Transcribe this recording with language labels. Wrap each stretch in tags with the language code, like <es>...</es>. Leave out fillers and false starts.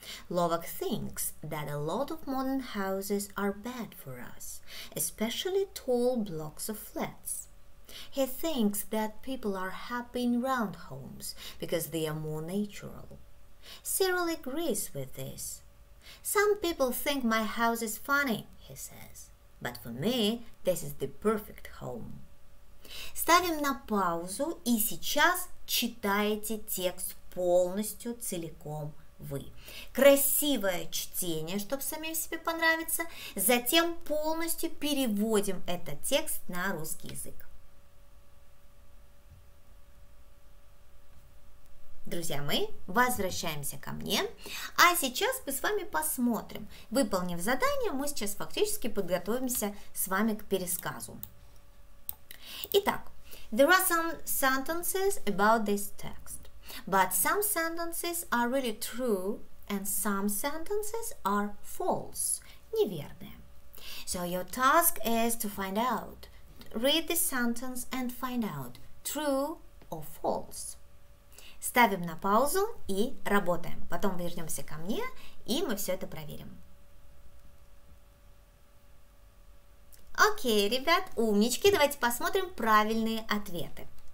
<en>Lovak thinks that a lot of modern houses are bad for us, especially tall blocks of flats. He thinks that people are happy in round homes because they are more natural. Cyril agrees with this. Some people think my house is funny, he says, but for me this is the perfect home.</en> <ru>Ставим на паузу и сейчас читайте текст полностью целиком вы. Красивое чтение, чтобы самим себе понравиться. Затем полностью переводим этот текст на русский язык. Друзья мои, возвращаемся ко мне, а сейчас мы с вами посмотрим. Выполнив задание, мы сейчас фактически подготовимся с вами к пересказу. Итак,</ru> <en>there are some sentences about this text, but some sentences are really true and some sentences are false,</en> <ru>неверные.</ru> <en>So your task is to find out, read the sentence and find out, true or false.</en> <ru>Ставим на паузу и работаем. Потом вернемся ко мне, и мы все это проверим. Окей, ребят, умнички. Давайте посмотрим правильные ответы.</ru>